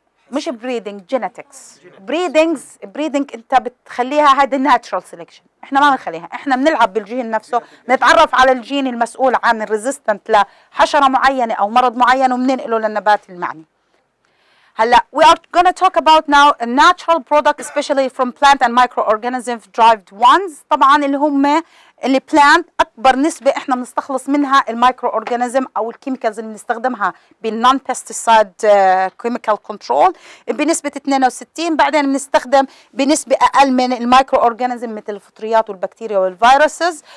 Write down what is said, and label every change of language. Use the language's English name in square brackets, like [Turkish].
[Arabic] مش بريدنج، جينيتكس بريدنجز. بريدنج انت بتخليها هذا ناتشرال سيلكشن، احنا ما بنخليها، احنا بنلعب بالجين نفسه، نتعرف على الجين المسؤول عن الريزيستنت لحشره معينه او مرض معين وبننقله للنبات المعني. [English] هلا we are gonna talk about now a natural product especially from plant and microorganism derived ones. [Arabic] طبعا اللي هم اللي plant اكبر نسبه احنا بنستخلص منها الميكروorganism او الكيميكالز اللي بنستخدمها بالنون بيستيسايد كيميكال كنترول بنسبه 62. بعدين بنستخدم بنسبه اقل من الميكروorganism مثل الفطريات والبكتيريا والفيروسز.